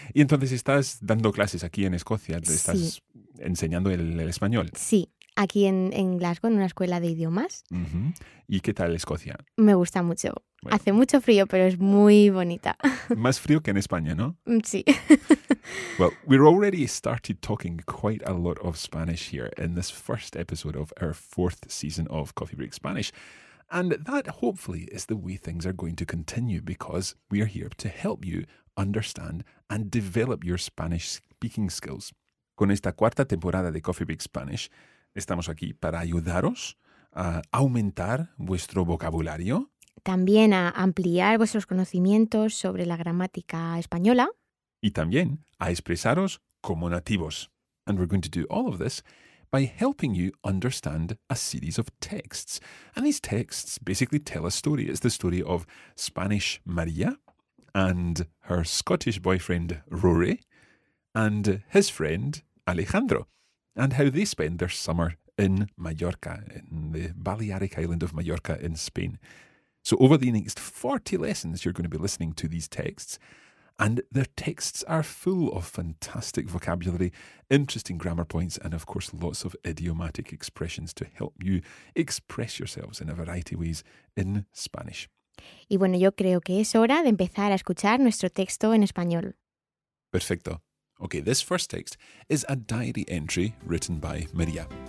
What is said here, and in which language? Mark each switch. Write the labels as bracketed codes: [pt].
[es] Y entonces estás dando clases aquí en Escocia. ¿Estás enseñando el español? Sí. Aquí en Glasgow, en una escuela de idiomas. Uh-huh. ¿Y qué tal Escocia? Me gusta mucho. Bueno. Hace mucho frío, pero es muy bonita. Más frío que en España, ¿no? Sí. [en] Well, we're already started talking quite a lot of Spanish here in this first episode of our fourth season of Coffee Break Spanish. And that, hopefully, is the way things are going to continue because we are here to help you understand and develop your Spanish speaking skills. [es] Con esta cuarta temporada de Coffee Break Spanish, estamos aquí para ayudaros a aumentar vuestro vocabulario. También a ampliar vuestros conocimientos sobre la gramática española. Y también a expresaros como nativos. [en] And we're going to do all of this by helping you understand a series of texts. And these texts basically tell a story. It's the story of Spanish Maria and her Scottish boyfriend Rory and his friend Alejandro and how they spend their summer in Mallorca, in the Balearic island of Mallorca in Spain. So over the next 40 lessons, you're going to be listening to these texts. And their texts are full of fantastic vocabulary, interesting grammar points, and of course lots of idiomatic expressions to help you express yourselves in a variety of ways in Spanish. [es] Y bueno, yo creo que es hora de empezar a escuchar nuestro texto en español. Perfecto. [en] Okay, this first text is a diary entry written by María.